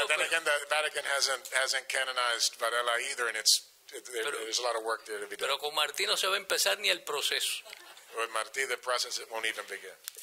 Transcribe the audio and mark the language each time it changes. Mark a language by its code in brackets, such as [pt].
[en] but then again, the Vatican hasn't canonized Varela either, and there's a lot of work there to be done. [es] Pero con Martí no se va a empezar ni el proceso. [en] With Martí, the process, it won't even begin.